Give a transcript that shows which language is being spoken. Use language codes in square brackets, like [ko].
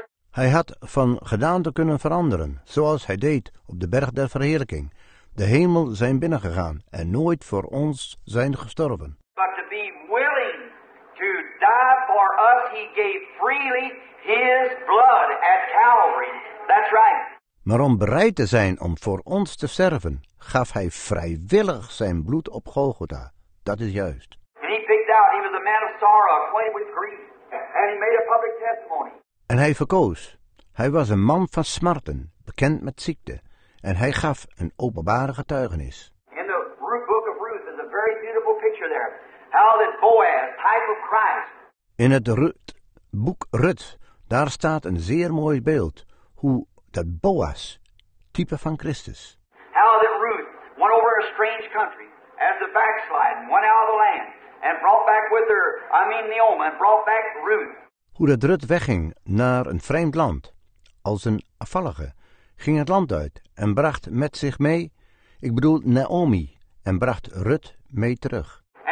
[nl] Hij had van gedaante kunnen veranderen, zoals hij deed op de berg der verheerlijking, de hemel zijn binnengegaan en nooit voor ons zijn gestorven. [en] But to be willing to die for us, he gave freely his blood at Calvary. That's right. [nl] Maar om bereid te zijn om voor ons te sterven, gaf hij vrijwillig zijn bloed op Golgotha. Dat is juist. [en] And he picked out, he was a man of sorrow, acquainted with grief, and he made a public testimony. [nl] En hij verkoos. Hij was een man van smarten, bekend met ziekte, en hij gaf een openbare getuigenis. [en] In the book of Ruth is a very beautiful picture there. How that Boaz, type of Christ. [nl] In het boek Rut, daar staat een zeer mooi beeld hoe dat Boaz, type van Christus. [en] How that Ruth went over a strange country as a backslide, went out of the land and brought back with her, Naomi, and brought back Ruth. [nl] Hoe dat Rut wegging naar een vreemd land, als een afvallige, ging het land uit en bracht met zich mee, Naomi, en bracht Rut mee terug.